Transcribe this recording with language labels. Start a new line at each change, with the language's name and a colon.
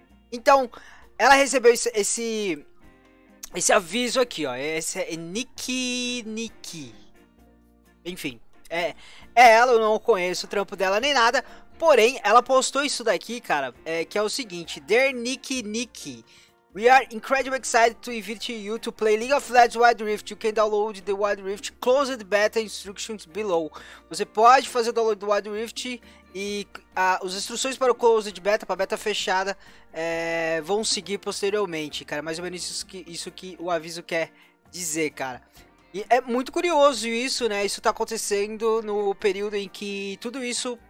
Portuguese: Então, ela recebeu esse aviso aqui, ó, esse é Nikki, enfim, é ela, eu não conheço o trampo dela nem nada, porém, ela postou isso daqui, cara, que é o seguinte:
English: Dear Nikki, we are incredibly excited to invite you to play League of Legends Wild Rift. You can download the Wild Rift Closed Beta Instructions below.
Portuguese: Você pode fazer o download do Wild Rift e as instruções para o Closed Beta, para a beta fechada, vão seguir posteriormente, cara. Mais ou menos isso que o aviso quer dizer, cara. E é muito curioso isso, né? Isso tá acontecendo no período em que tudo isso